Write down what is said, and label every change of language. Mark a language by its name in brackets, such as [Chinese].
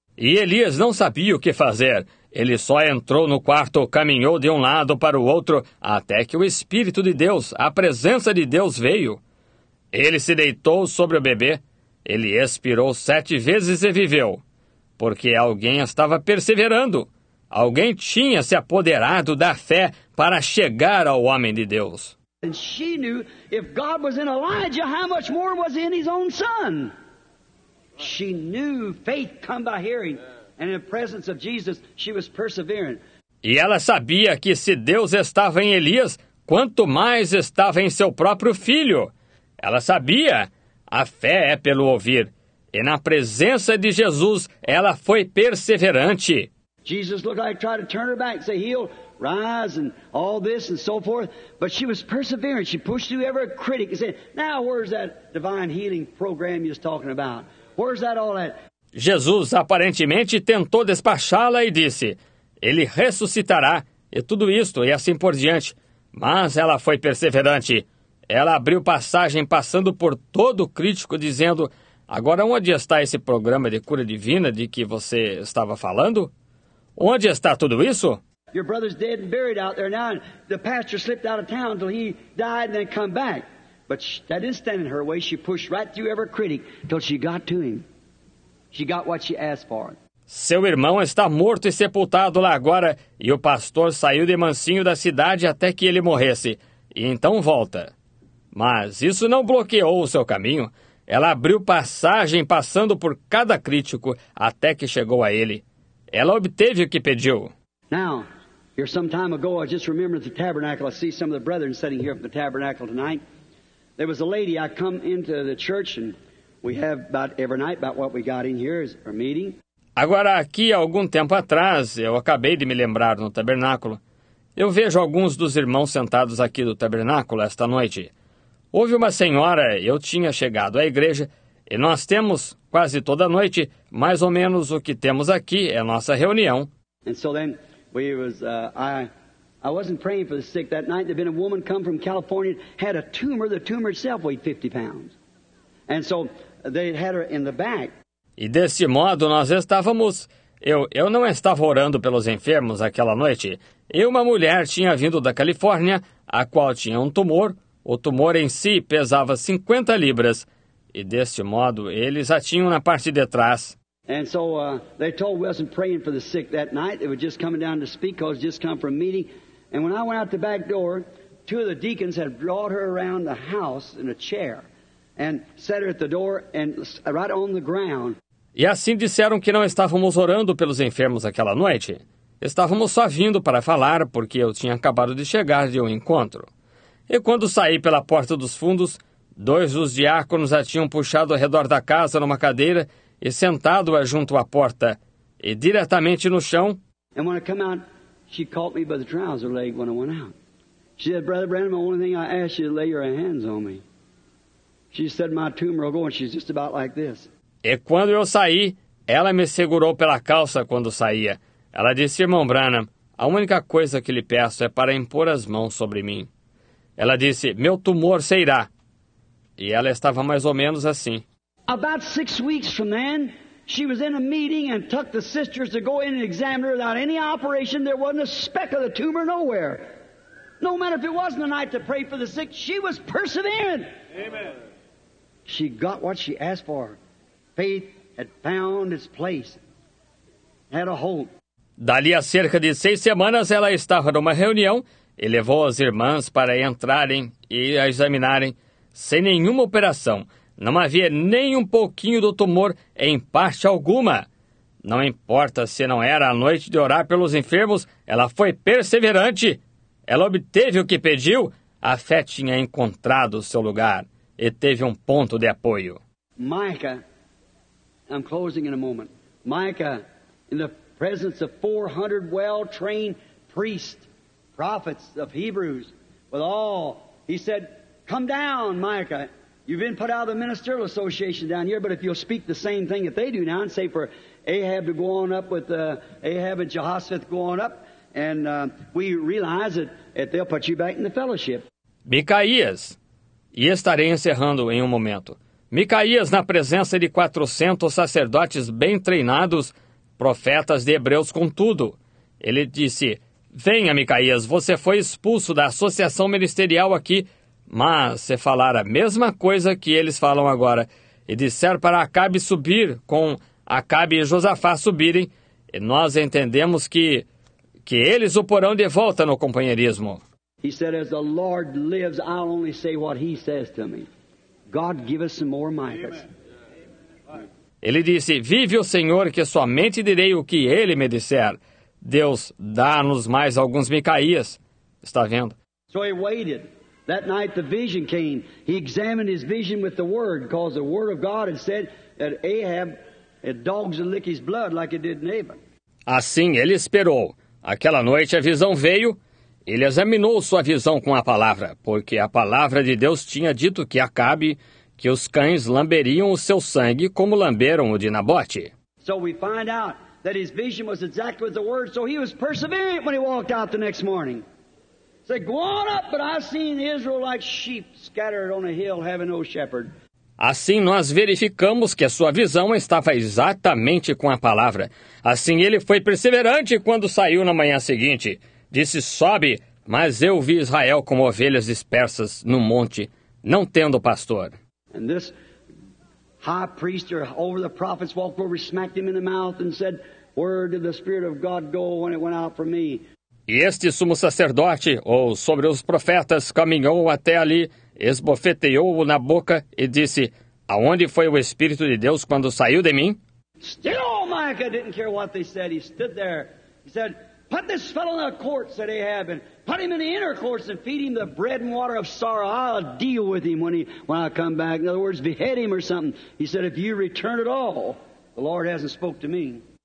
[Portuguese] E Elias não sabia o que fazer. Ele só entrou no quarto, caminhou de um lado para o outro, até que o Espírito de Deus, a presença de Deus, veio. Ele se deitou sobre o bebê. Ele expirou 7 vezes e viveu. Porque alguém estava perseverando. Alguém tinha se apoderado da fé para chegar ao homem de Deus. [English] And she knew if God was in Elijah, how much more was he in his own son? She knew faith come by hearing, and in the presence of Jesus, she was persevering. [Portuguese] E ela sabia que se Deus estava em Elias, quanto mais estava em seu próprio filho. Ela sabia, a fé é pelo ouvir, e na presença de Jesus, ela foi perseverante. [English] Jesus looked like trying to turn her back and say, heal, rise, and all this, and so forth. But she was persevering. She pushed through every critic and said, now where's that divine healing program you're talking about? Where's that all at? [Portuguese] Jesus aparentemente tentou despachá-la e disse, ele ressuscitará, e tudo isto, e assim por diante. Mas ela foi perseverante. Ela abriu passagem passando por todo o crítico, dizendo, agora onde está esse programa de cura divina de que você estava falando? Onde está tudo isso? [English] Your brother's dead and buried out there now. The pastor slipped out of town until he died and then come back. But that didn't stand in her way. She pushed right through every critic until she got to him. She got what she asked for. [Portuguese] Seu irmão está morto e sepultado lá agora, e o pastor saiu de mansinho da cidade até que ele morresse, e então volta. Mas isso não bloqueou o seu caminho. Ela abriu passagem passando por cada crítico até que chegou a ele. Ela obteve o que pediu. [English] Now, here some time ago, I just remembered the tabernacle. I see some of the brethren sitting here at the tabernacle tonight. There was a lady, I come into the church, and we have about every night, about what we got in here is our meeting. [Portuguese] Agora, aqui, algum tempo atrás, eu acabei de me lembrar no tabernáculo. Eu vejo alguns dos irmãos sentados aqui do tabernáculo esta noite. Houve uma senhora, eu tinha chegado à igreja, e nós temos, quase toda noite, mais ou menos o que temos aqui é nossa reunião. [English] And so then we was, I wasn't praying for the sick that night. There'd been a woman come from California, had a tumor. The tumor itself weighed 50 pounds. And so they had her in the back. [Portuguese] E desse modo nós estávamos... Eu não estava orando pelos enfermos aquela noite. E uma mulher tinha vindo da Califórnia, a qual tinha um tumor. O tumor em si pesava 50 libras. E desse modo eles a tinham na parte de trás. [English] And so they told me I wasn't praying for the sick that night. They were just coming down to speak because just come from a meeting. And when I went out the back door, two of the deacons had brought her around the house in a chair and set her at the door and right on the ground. [Portuguese] E assim disseram que não estávamos orando pelos enfermos aquela noite. Estávamos só vindo para falar porque eu tinha acabado de chegar de um encontro. E quando saí pela porta dos fundos, dois dos diáconos a tinham puxado ao redor da casa numa cadeira e sentado-a junto à porta, e diretamente no chão. [English] And when I come out, she caught me by the trouser leg when I went out. She said, Brother Branham, the only thing I ask you to lay your hands on me. She said, my tumor will go, and she's just about like this. [Portuguese] E quando eu saí, ela me segurou pela calça quando saía. Ela disse, irmão Branham, a única coisa que lhe peço é para impor as mãos sobre mim. Ela disse, meu tumor se irá. E ela estava mais ou menos assim. [English] About 6 weeks from then, she was in a meeting and took the sisters to go in and examine her without any operation. There wasn't a speck of the tumor nowhere. No matter if it wasn't a night to pray for the sick, she was persevering. Amen. She got what she asked for. Faith had found its place, had a hope. [Portuguese] Dali a cerca de 6 semanas, ela estava numa reunião e levou as irmãs para entrarem e a examinarem sem nenhuma operação. Não havia nem um pouquinho do tumor em parte alguma. Não importa se não era a noite de orar pelos enfermos, ela foi perseverante. Ela obteve o que pediu. A fé tinha encontrado o seu lugar e teve um ponto de apoio. [English] Micah, I'm closing in a moment. Micah, in the presence of 400 well-trained priests, prophets of Hebrews, with all, he said, come down, Micah. You've been put out of the ministerial association down here, but if you'll speak the same thing that they do now and say for Ahab to go on up with Ahab and Jehoshaphat going up, and we realize it, that they'll put you back in the fellowship. [Portuguese] Micaías. E estarei encerrando em um momento. Micaías, na presença de 400 sacerdotes bem treinados, profetas de Hebreus contudo. Ele disse, venha, Micaías, você foi expulso da associação ministerial aqui, mas se falar a mesma coisa que eles falam agora, e disser para Acabe subir com Acabe e Josafá subirem, e nós entendemos que eles o porão de volta no companheirismo. [English] He said, as the Lord lives, I'll only say what he says to me. God, give us some more Micahs. [Portuguese] Ele disse, vive o Senhor, que somente direi o que ele me disser. Deus, dá-nos mais alguns Micaías. Está vendo? [English] So he waited. That night the vision came. He examined his vision with the word, because the word of God had said that Ahab had dogs and licked his blood like it did Naaman. [Portuguese] Assim ele esperou. Aquela noite a visão veio. Ele examinou sua visão com a palavra, porque a palavra de Deus tinha dito que Acabe, que os cães lamberiam o seu sangue como lamberam o de Nabote. [English] So we find out that his vision was exactly with the word, so he was perseverant when he walked out the next morning. He said, go on up, but I've seen Israel like sheep scattered on a hill having no shepherd. [Portuguese] Assim nós verificamos que a sua visão estava exatamente com a palavra. Assim ele foi perseverante quando saiu na manhã seguinte. Disse, sobe, mas eu vi Israel como ovelhas dispersas no monte, não tendo pastor. [English] And this high priest or over the prophets walked over, smacked him in the mouth and said, where did the Spirit of God go when it went out from me? [Portuguese] E este sumo sacerdote, ou sobre os profetas, caminhou até ali, esbofeteou-o na boca e disse, aonde foi o Espírito de Deus quando saiu de mim? [English] Still, Micah didn't care what they said. He stood there. He said, put this fellow in the courts that Ahab, and put him in the inner courts and feed him the bread and water of sorrow. I'll deal with him when I come back. In other words, behead him or something. He said, if you return at all, the Lord hasn't spoke to me.